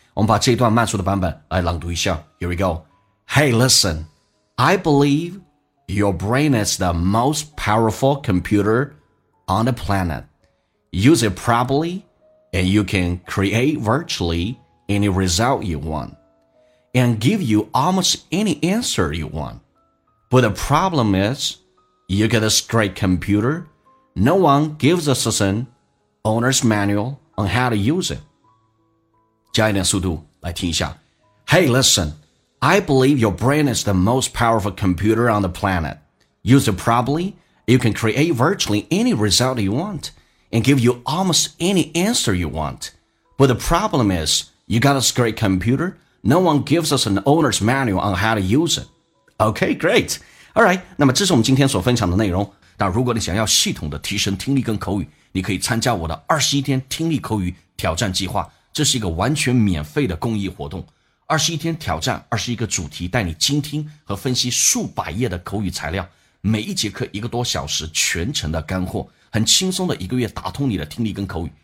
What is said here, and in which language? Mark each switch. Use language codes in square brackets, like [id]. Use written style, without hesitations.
[zh] 我们把这段慢速的版本来朗读一下。 [en] Here we go. Hey, listen. I believe your brain is the most powerful computer on the planet. Use it properly and you can create virtually any result you want and give you almost any answer you want. But the problem is, you get this great computer, no one gives a certain owner's manual on how to use it. [zh] 加一点速度来听一下。 [en] Hey, listen, I believe your brain is the most powerful computer on the planet. Use it properly, you can create virtually any result you want and give you almost any answer you want. But the problem is, you got this great computer, no one gives us an owner's manual on how to use it. Okay, great. Alright, [zh] 那么这是我们今天所分享的内容。那如果你想要系统的提升听力跟口语，你可以参加我的21天听力口语挑战计划。这是一个完全免费的公益活动，21天挑战21个主题，带你精听和分析数百页的口语材料，每一节课一个多小时，全程的干货，很轻松的一个月打通你的听力跟口语。